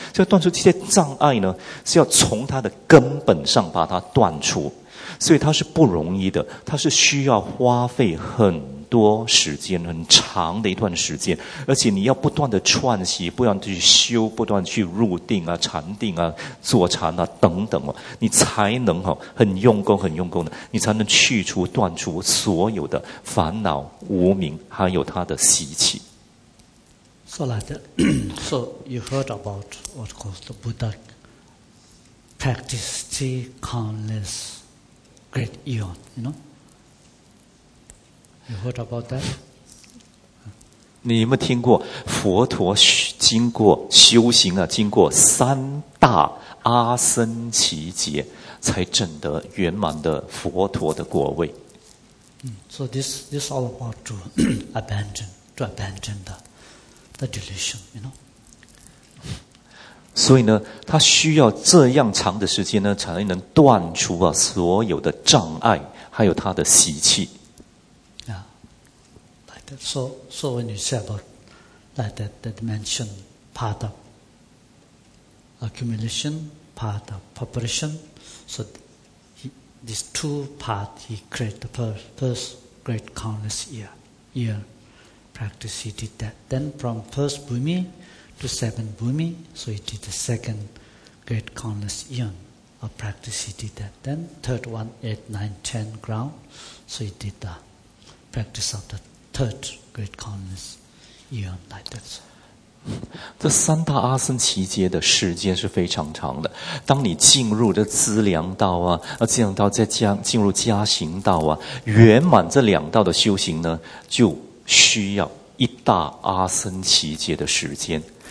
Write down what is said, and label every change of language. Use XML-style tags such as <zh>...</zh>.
<zh>这个断除这些障碍呢，是要从它的根本上把它断除，所以它是不容易的，它是需要花费很多时间、很长的一段时间，而且你要不断的串习，不断去修，不断去入定啊、禅定啊、坐禅啊等等哦，你才能哈很用功、很用功的，你才能去除、断除所有的烦恼、无明，还有他的习气。</zh> <en>So like that, so you heard about what calls the Buddha practice three countless great eon, you know? You heard about that?</en> <zh>你有没有听过佛陀经过修行啊，经过三大阿僧祇劫，才证得圆满的佛陀的果位？</zh> <en>So this all about to abandon the delusion, you know.</en> <zh>所以呢，他需要这样长的时间呢，才能断除啊所有的障碍，还有他的习气。</zh> <en>So when you say about like that mention part of accumulation, part of preparation, so these two parts he created the first great countless year practice, he did that. Then from first bhumi to seventh bhumi, so he did the second great countless eon of practice, he did that. Then third one, 8, 9, 10 ground, so he did the practice of the third. Great kindness, even like that.</en> <zh>这三大阿僧祇劫的时间是非常长的。当你进入这资粮道啊，资粮道再进入加行道啊，圆满这两道的修行呢，就需要一大阿僧祇劫的时间。</zh>